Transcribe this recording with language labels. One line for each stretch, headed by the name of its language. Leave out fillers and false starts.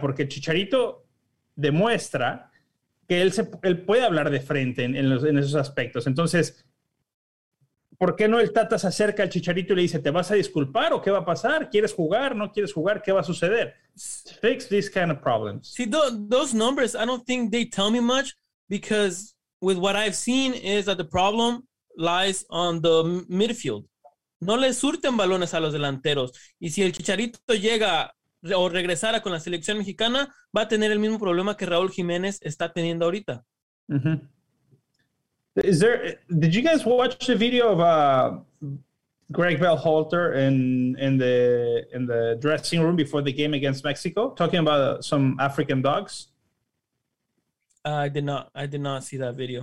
Spanish: Porque Chicharito demuestra que él puede hablar de frente en esos aspectos. Entonces, ¿por qué no el Tata se acerca al Chicharito y le dice, ¿te vas a disculpar o qué va a pasar? ¿Quieres jugar? ¿No quieres jugar? ¿Qué va a suceder?
English: Fix these kind of problems. See, those numbers, I don't think they tell me much, because with what I've seen is that the problem lies on the midfield.
Spanish: No le surten balones a los delanteros. Y si el Chicharito llega o regresara con la selección mexicana, va a tener el mismo problema que Raúl Jiménez está teniendo ahorita. Mm-hmm.
English: Did you guys watch the video of Greg Berhalter in the dressing room before the game against Mexico talking about some African dogs? I did not see that video.